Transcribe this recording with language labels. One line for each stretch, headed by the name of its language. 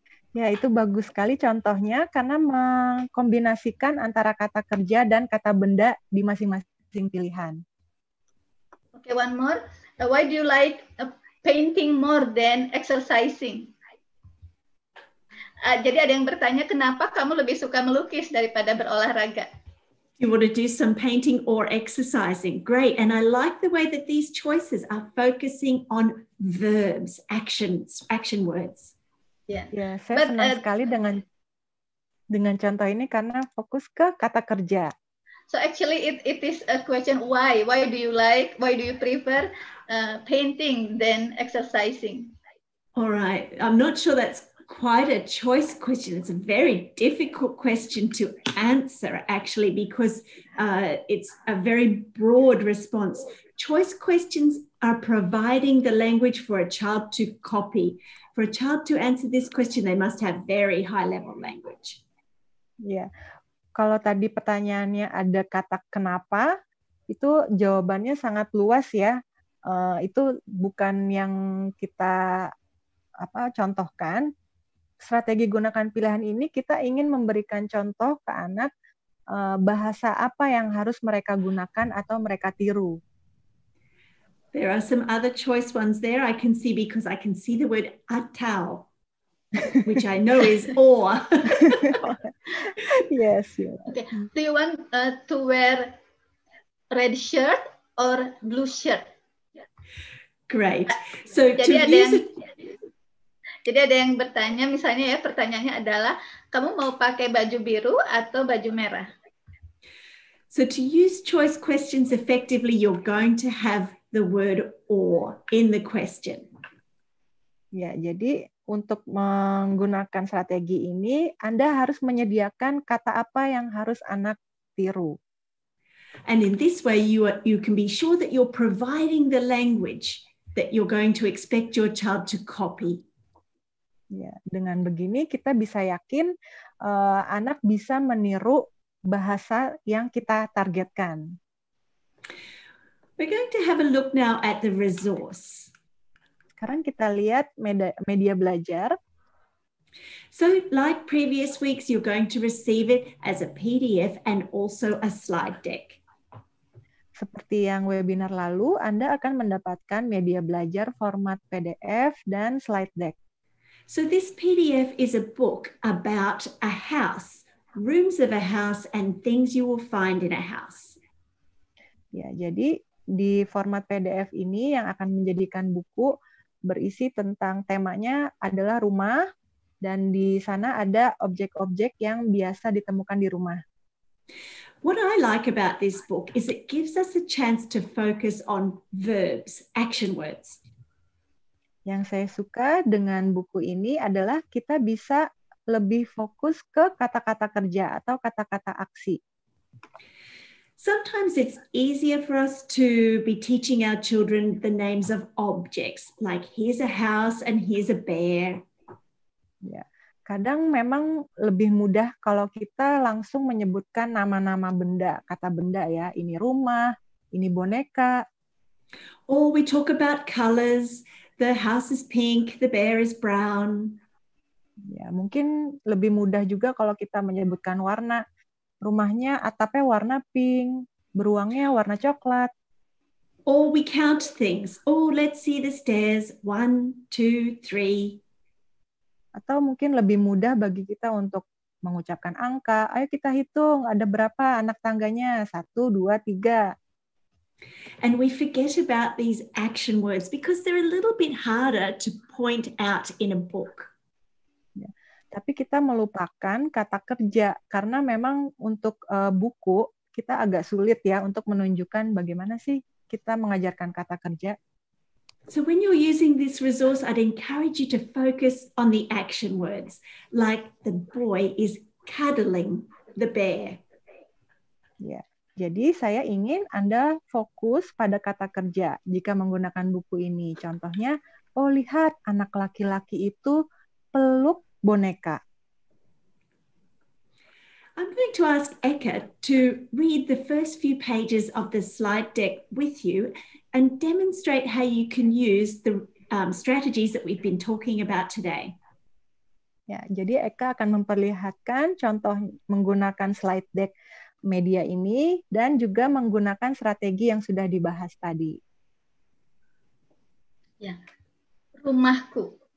Indonesian: Ya, itu bagus sekali contohnya karena mengkombinasikan antara kata kerja dan kata benda di masing-masing pilihan.
English: Okay, one more. Why do you like painting more than exercising?
Indonesian: Jadi ada yang bertanya, kenapa kamu lebih suka melukis daripada berolahraga?
English: You want to do some painting or exercising. Great, and I like the way that these choices are focusing on verbs, actions, action words.
Indonesian: Ya, saya senang sekali dengan contoh ini karena fokus ke kata kerja.
English: So actually it is a question why do you prefer painting than exercising? All right, I'm not sure that's quite a choice question. It's a very difficult question to answer actually because it's a very broad response. Choice questions are providing the language for a child to copy. For a child to answer this question, they must have very high level language. Yeah.
Indonesian: Kalau tadi pertanyaannya ada kata kenapa, itu jawabannya sangat luas ya. Itu bukan yang kita contohkan. Strategi gunakan pilihan ini kita ingin memberikan contoh ke anak bahasa apa yang harus mereka gunakan atau mereka tiru.
English: There are some other choice ones there I can see because I can see the word atau. which I know is awe. Yes. Okay. Do you want to wear red shirt or blue shirt? Great. So to use
Indonesian: Jadi ada yang bertanya, misalnya ya pertanyaannya adalah, kamu mau pakai baju biru atau baju merah?
English: So to use choice questions effectively, you're going to have the word or in the question.
Indonesian: Ya, jadi untuk menggunakan strategi ini, Anda harus menyediakan kata apa yang harus anak tiru.
English: And in this way, you can be sure that you're providing the language that you're going to expect your child to copy.
Indonesian: Ya, dengan begini kita bisa yakin anak bisa meniru bahasa yang kita targetkan.
English: We're going to have a look now at the resource.
Indonesian: Sekarang kita lihat media belajar.
English: So like previous weeks, you're going to receive it as a PDF and also a slide deck.
Indonesian: Seperti yang webinar lalu, Anda akan mendapatkan media belajar format PDF dan slide deck.
English: So this PDF is a book about a house, rooms of a house, and things you will find in a house.
Indonesian: Ya, jadi di format PDF ini yang akan menjadikan buku berisi tentang temanya adalah rumah, dan di sana ada objek-objek yang biasa ditemukan di rumah.
English: What I like about this book is it gives us a chance to focus on verbs, action words.
Indonesian: Yang saya suka dengan buku ini adalah kita bisa lebih fokus ke kata-kata kerja atau kata-kata aksi.
English: Sometimes it's easier for us to be teaching our children the names of objects, like here's a house and here's a bear.
Indonesian: Ya, kadang memang lebih mudah kalau kita langsung menyebutkan nama-nama benda, kata benda ya, ini rumah, ini boneka.
English: Or we talk about colors. The house is pink, the bear is brown.
Indonesian: Ya, mungkin lebih mudah juga kalau kita menyebutkan warna. Rumahnya atapnya warna pink, beruangnya warna coklat.
English: Or we count things. Oh, let's see the stairs. 1, 2, 3.
Indonesian: Atau mungkin lebih mudah bagi kita untuk mengucapkan angka. Ayo kita hitung, ada berapa anak tangganya? 1, 2, 3.
English: And we forget about these action words because they're a little bit harder to point out in a book.
Indonesian: Ya, tapi kita melupakan kata kerja karena memang untuk buku kita agak sulit ya untuk menunjukkan bagaimana sih kita mengajarkan kata kerja.
English: So when you're using this resource, I'd encourage you to focus on the action words, like the boy is cuddling the bear.
Indonesian: Ya. Jadi saya ingin Anda fokus pada kata kerja jika menggunakan buku ini. Contohnya, oh lihat anak laki-laki itu peluk boneka.
English: I'm going to ask Eka to read the first few pages of the slide deck with you and demonstrate how you can use the strategies that we've been talking about today.
Indonesian: Ya, jadi Eka akan memperlihatkan contoh menggunakan slide deck media ini dan juga menggunakan strategi yang sudah dibahas tadi. Ya. Rumahku.